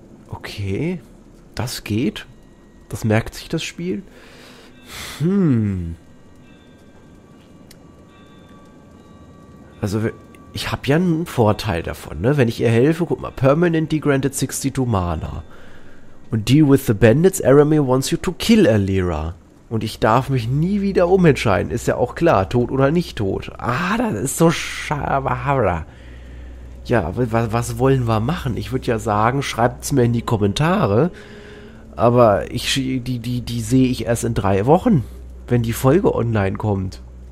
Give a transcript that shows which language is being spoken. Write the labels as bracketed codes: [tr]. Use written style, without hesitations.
[de] Okay, das geht. Das merkt sich das Spiel. Also, ich habe ja einen Vorteil davon, ne? Wenn ich ihr helfe, guck mal, [en] permanently granted 62 mana. Und deal with the bandits, Aramir wants you to kill Alira. [de] Und ich darf mich nie wieder umentscheiden, ist ja auch klar, tot oder nicht tot. Das ist so schabahara. Ja, was wollen wir machen? Ich würde ja sagen, schreibt es mir in die Kommentare. Aber die sehe ich erst in 3 Wochen, wenn die Folge online kommt.